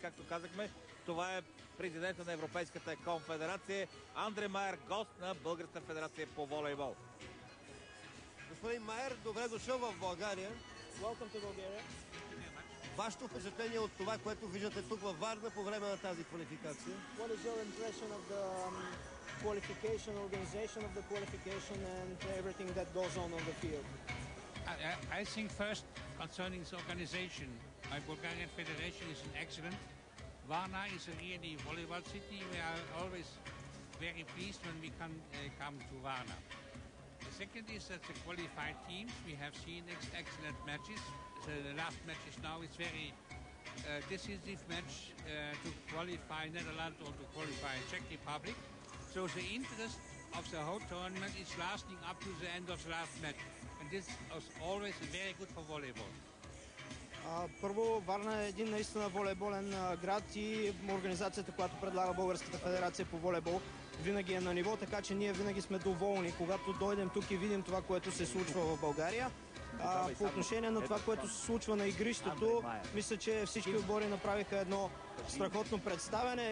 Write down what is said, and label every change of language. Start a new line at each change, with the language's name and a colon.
Bulgarian: Както казахме, това е президента на Европейската конфедерация Андре Майер, гост на Българската федерация по волейбол. Господин Майер, добре дошъл в България.
English: Welcome to Bulgaria.
Bulgarian: Вашето впечатление от това, което виждате тук във Варна по време на тази квалификация?
English: What is your impression of the qualification, organization of the qualification and everything that goes on the field? I think first concerning the organization, my Bulgarian Federation is excellent. Varna is a really volleyball city. We are always very pleased when we can come to Varna. The second is that the qualified teams, we have seen excellent matches. The last match is now, it's very decisive match to qualify Netherlands or to qualify Czech Republic. So the interest of the whole tournament is lasting up to the end of the last match. And this is always very good for volleyball.
Bulgarian: Първо, Варна е един наистина волейболен град и организацията, която предлага Българската федерация по волейбол, винаги е на ниво, така че ние винаги сме доволни, когато дойдем тук и видим това, което се случва в България. По отношение на това, което се случва на игрището, мисля, че всички отбори направиха едно страхотно представяне.